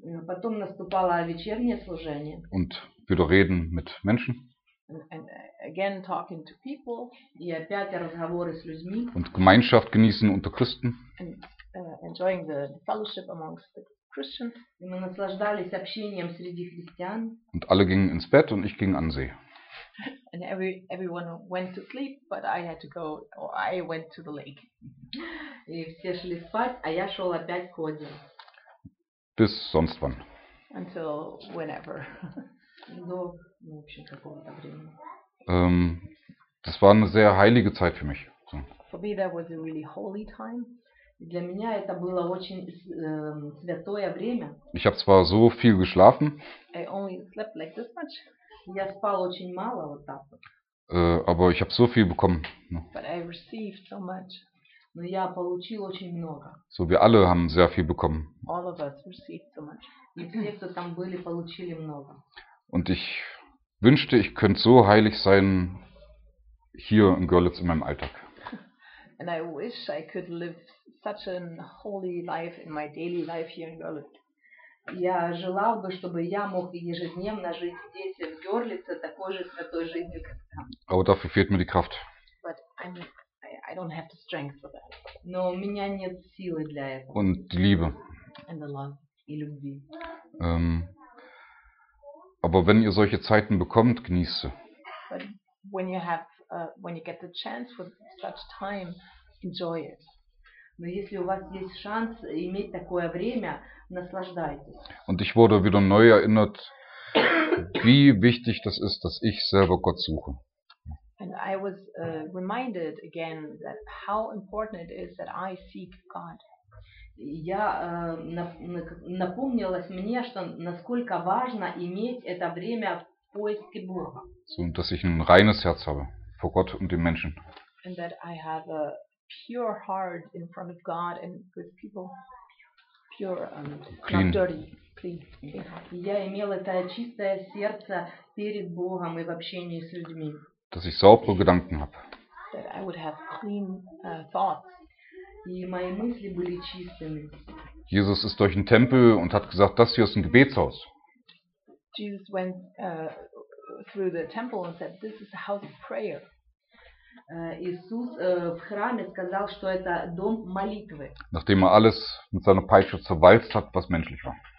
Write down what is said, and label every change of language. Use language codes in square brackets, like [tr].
[ru] Потом наступало вечернее служение. [de] Und wieder reden mit Menschen. [en] And again talking to people. [ru] И опять разговоры с людьми. [de] Und Gemeinschaft genießen unter Christen. [en] And enjoying the fellowship amongst the Christians. [ru] И мы наслаждались общением среди христиан. [de] Und alle gingen ins Bett und ich ging an See. [en] And everyone went to sleep, but I had to go, or I went to the lake. [ru] И все шли спать, а я шел опять к озеру. [de] Bis sonst wann. [en] Until whenever. [ru] Но, в общем, какого-то времени. [de] Das war eine sehr heilige Zeit für mich. [en] For me, that was a really holy time. [ru] Для меня это было очень святое время. [de] Ich habe zwar so viel geschlafen. [en] I only slept like this much. [ru] Я спал очень мало вот так. [de] Aber ich habe so viel bekommen. [en] But I received so much. [ru] Но я получил очень много. [de] So wir alle haben sehr viel bekommen. [en] All of us received so much. [ru] И все, кто там были, получили много. [de] Und ich wünschte, ich könnte so heilig sein hier in Görlitz in meinem Alltag. [en] And I wish I could live such a holy life in my daily life here in Görlitz. [ru] Я желал бы, чтобы я мог ежедневно жить здесь, в Görlitz, такой же святой жизнью, как там. [de] Aber dafür fehlt mir die Kraft. [en] But I don't have the strength for that. [ru] Но у меня нет силы для этого. [de] Und die Liebe. [en] And the love. [ru] И любви. [de] Aber wenn ihr solche Zeiten bekommt, genießt sie. [en] But when you have when you get the chance for such time, enjoy it. [ru] Но если у вас есть шанс иметь такое время, наслаждайтесь. [de] Und ich wurde wieder neu erinnert, wie wichtig das ist, dass ich selber Gott suche. [en] And I was reminded again that how important it is that I seek God. [ru] Я напомнилась мне, что насколько важно иметь это время в поиске Бога. [de] So, dass ich ein reines Herz habe vor Gott und den Menschen. [en] And that I have a pure heart in front of God and with people. Pure, clean. Not dirty. Clean. [ru] Я имела это чистое сердце перед Богом и в общении с людьми. [de] Dass ich saubere Gedanken habe. [en] That I would have clean thoughts. [ru] И мои мысли были чистыми. [de] Jesus ist durch den Tempel und hat gesagt, das hier ist ein Gebetshaus. [en] Jesus went through the temple and said, this is a house of prayer. [ru] Иисус в храме сказал, что это дом молитвы. [de] Nachdem er alles mit seiner Peitsche zerwalzt hat, was menschlich war.